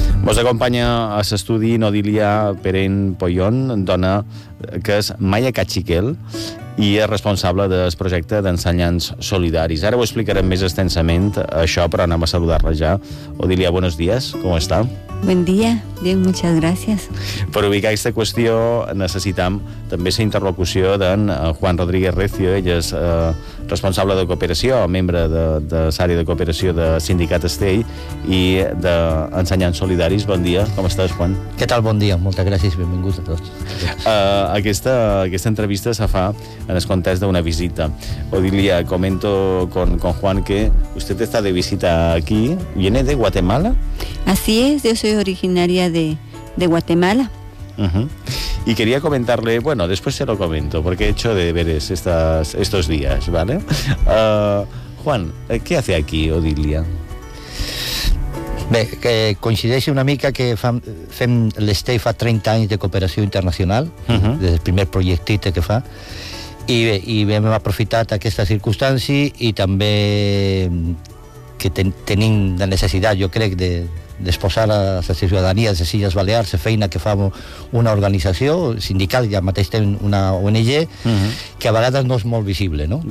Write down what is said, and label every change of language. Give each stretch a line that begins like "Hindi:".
Catalan: Us acompanya a l'estudi Nodilia Perén Pollón, dona que és maia cachiquel i és responsable del projecte d'ensenyants solidaris. Ara ho explicarem més extensament, això, però anem a saludar-la ja.
Spanish: Nodilia, buenos días, ¿cómo está? Buen día, bien, muchas gracias.
Catalan: Per ubicar aquesta qüestió necessitam també la interlocució d'en Juan Rodríguez Recio. Ell és responsable de cooperació, membre de l'àrea de cooperació de Sindicat Estell i d'Ensenyants Solidaris. Bon dia, com estàs, Juan? Què tal, bon dia, moltes gràcies i benvinguts a tots. Aquesta entrevista se fa en el context d'una visita.
Spanish: Nodilia, comento con Juan que usted está de visita aquí, ¿viene de Guatemala? Así es, yo soy originaria de Guatemala. Y quería comentarle, bueno, después se lo comento, porque he hecho deberes estos días, ¿vale? Juan, ¿qué hace aquí Nodilia?
Catalan: Bé, que coincideix una mica que fem l'Estell fa 30 anys de cooperació internacional, des del primer projectite que fa, i bé, hem aprofitat aquesta circumstància i també que tenim la necessitat, jo crec, d'exposar a la ciutadania de les Illes Balears la feina que fa una organització sindical i al mateix temps una ONG que a vegades no és molt visible, no?